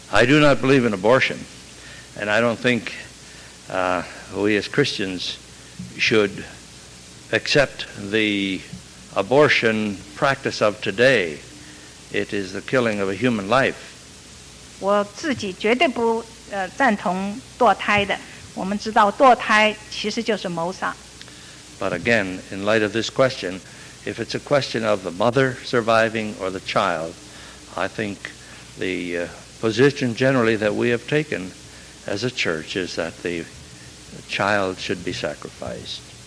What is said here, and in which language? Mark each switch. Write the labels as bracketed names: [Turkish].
[English] I do not believe in abortion, and I don't think we as Christians should accept the abortion practice of today. It is the killing of a human life. [Chinese] 我自己绝对不。赞同堕胎的，我们知道堕胎其实就是谋杀。 [English] But again, in light of this question, if it's a question of the mother surviving or the child, I think the position generally that we have taken as a church is that the child should be sacrificed.